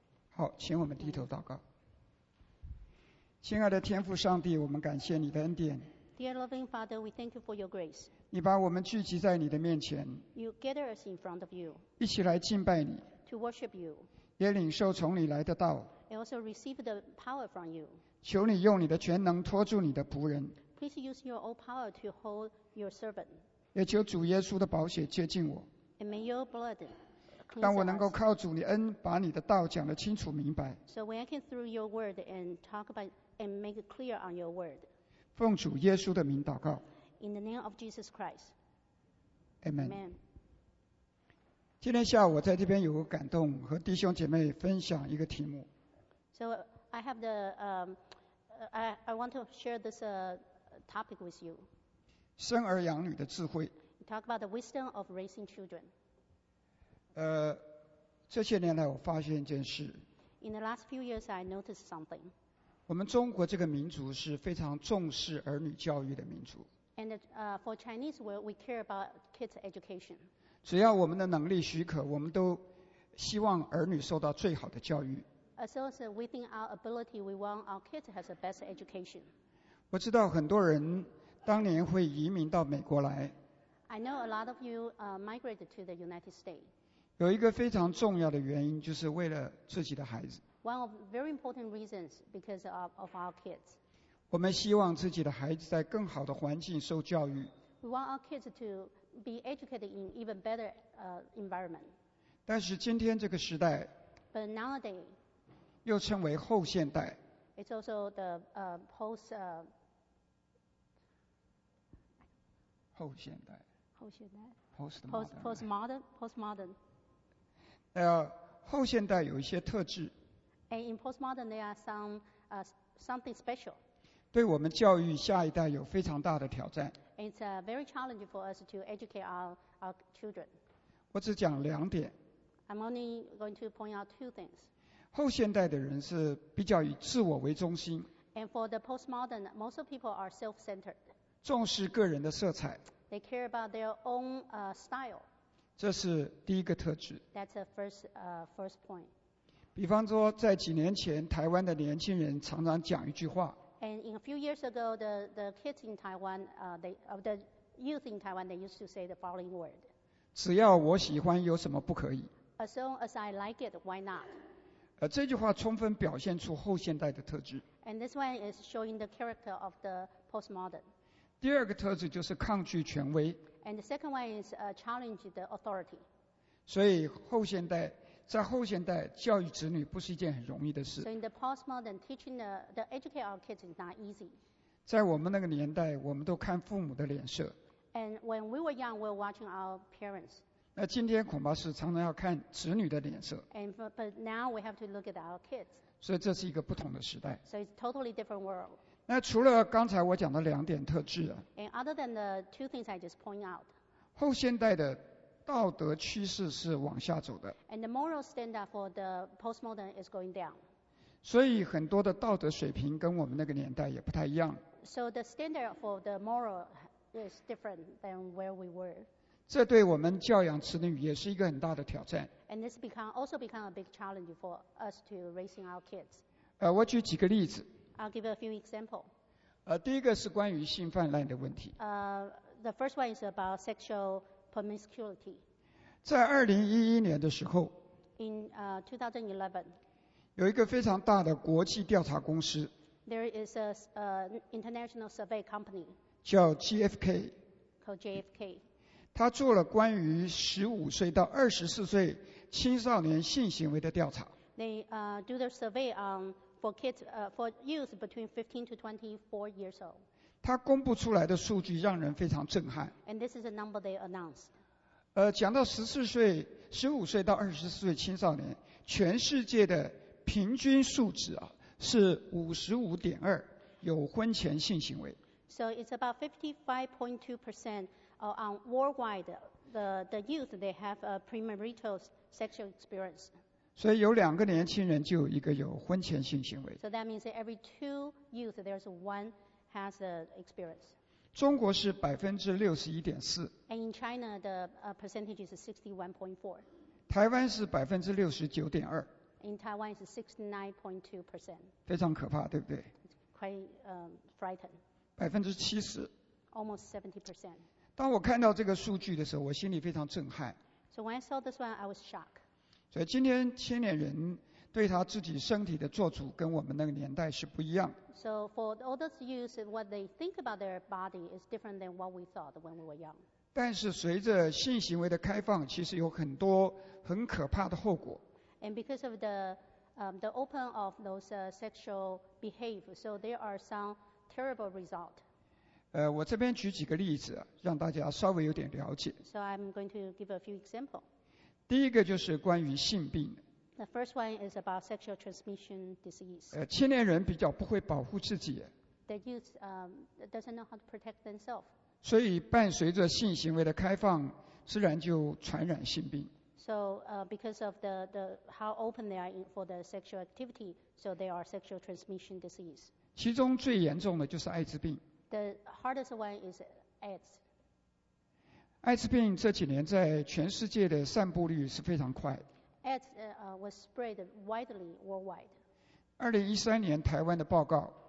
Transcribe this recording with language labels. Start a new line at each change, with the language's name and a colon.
Chinese: 好，请我们低头祷告。亲爱的天父上帝，我们感谢你的恩典。
English: Dear loving Father, we thank you for your grace.
Chinese: 你把我们聚集在你的面前。
English: You gather us in front of you.
Chinese: 一起来敬拜你。
English: To worship you.
Chinese: 也领受从你来的道。
English: I also receive the power from you.
Chinese: 求你用你的全能托住你的仆人。
English: Please use your all power to hold your servant.
Chinese: 也求主耶稣的宝血接近我。
English: And may your blood
Chinese: 当我能够靠主你恩把你的道讲得清楚明白。
English: So when I can through your word and talk about and make it clear on your word.
Chinese: 奉主耶稣的名祷告。
English: In the name of Jesus Christ. Amen. Amen.
Chinese: 今天下午我在这边有个感动，和弟兄姐妹分享一个题目。
English: So I have the I want to share this topic with you.
Chinese: 生儿养女的智慧。
English: Talk about the wisdom of raising children.
Chinese: 这些年来我发现一件事。
English: In the last few years, I noticed something.
Chinese: 我们中国这个民族是非常重视儿女教育的民族。
English: And for Chinese, we care about kids' education.
Chinese: 只要我们的能力许可，我们都希望儿女受到最好的教育。
English: As long as within our ability, we want our kids have the best education.
Chinese: 我知道很多人当年会移民到美国来。
English: I know a lot of you migrated to the United States.
Chinese: 有一个非常重要的原因，就是为了自己的孩子。
English: One of very important reasons because of our kids.
Chinese: 我们希望自己的孩子在更好的环境受教育。
English: We want our kids to be educated in even better environment.
Chinese: 但是今天这个时代。
English: But nowadays.
Chinese: 又称为后现代。
English: It's also the post.
Chinese: 后现代。后现代 postmodern 后现代有一些特质。
English: And in postmodern, there are some something special.
Chinese: 对我们教育下一代有非常大的挑战。
English: It's a very challenging for us to educate our children.
Chinese: 我只讲两点。
English: I'm only going to point out two things.
Chinese: 后现代的人是比较以自我为中心。
English: And for the postmodern, most of people are self-centered.
Chinese: 重视个人的色彩。
English: They care about their own style.
Chinese: 这是第一个特质。
English: That's the first point.
Chinese: 比方说，在几年前，台湾的年轻人常常讲一句话。
English: And in a few years ago, the kids in Taiwan, the youth in Taiwan, they used to say the following word.
Chinese: 只要我喜欢，有什么不可以
English: ？As long as I like it, why not?
Chinese: 这句话充分表现出后现代的特质。
English: And this one is showing the character of the postmodern.
Chinese: 第二个特质就是抗拒权威。
English: And the second one is challenge the authority.
Chinese: 所以后现代在后现代教育子女不是一件很容易的事。
English: So in the postmodern teaching the educate our kids is not easy.
Chinese: 在我们那个年代，我们都看父母的脸色。
English: And when we were young, we were watching our parents.
Chinese: 那今天恐怕是常常要看子女的脸色。
English: And but now we have to look at our kids.
Chinese: 所以这是一个不同的时代。
English: So it's a totally different world.
Chinese: 那除了刚才我讲的两点特质啊，
English: And other than the two things I just point out,
Chinese: 后现代的道德趋势是往下走的。
English: And the moral standard for the postmodern is going down.
Chinese: 所以很多的道德水平跟我们那个年代也不太一样。
English: So the standard for the moral is different than where we were.
Chinese: 这对我们教养子女也是一个很大的挑战。
English: And this also become a big challenge for us to raising our kids.
Chinese: 我举几个例子。
English: I'll give a few examples.
Chinese: 第一个是关于性泛滥的问题。
English: The first one is about sexual promiscuity.
Chinese: 在2011年的时候
English: ，In 2011,
Chinese: 有一个非常大的国际调查公司。
English: There is a international survey company.
Chinese: 叫 GFK.
English: Called JFK.
Chinese: 他做了关于15岁到24岁青少年性行为的调查。
English: They do the survey on For kids, for youth between 15 to 24 years old.
Chinese: 他公布出来的数据让人非常震撼。
English: And this is the number they announced.
Chinese: 讲到15岁到24岁青少年，全世界的平均数值啊是 55.2 有婚前性行为。
English: So it's about 55.2% on worldwide the youth they have a premarital sexual experience.
Chinese: 所以有两个年轻人就有一个有婚前性行为。
English: So that means every two youth, there's one has the experience.
Chinese: 中国是61.4%。
English: And in China, the percentage is 61.4%.
Chinese: 台湾是69.2%。
English: In Taiwan, it's 69.2%.
Chinese: 非常可怕，对不对
English: ？It's quite frightening.
Chinese: 70%。
English: Almost 70%.
Chinese: 当我看到这个数据的时候，我心里非常震撼。
English: So when I saw this one, I was shocked.
Chinese: 所以今天青年人对他自己身体的做主跟我们那个年代是不一样。
English: So for the oldest youth, what they think about their body is different than what we thought when we were young.
Chinese: 但是随着性行为的开放，其实有很多很可怕的后果。
English: And because of the open of those sexual behavior, so there are some terrible result.
Chinese: 我这边举几个例子，让大家稍微有点了解。
English: So I'm going to give a few example.
Chinese: 第一个就是关于性病。
English: The first one is about sexual transmission disease.
Chinese: 青年人比较不会保护自己。
English: The youth doesn't know how to protect themselves.
Chinese: 所以伴随着性行为的开放，自然就传染性病。
English: So because of the how open they are for the sexual activity, so there are sexual transmission disease.
Chinese: 其中最严重的就是艾滋病。
English: The hardest one is AIDS.
Chinese: 艾滋病这几年在全世界的散布率是非常快。
English: AIDS was spread widely worldwide.
Chinese: 2013年台湾的报告。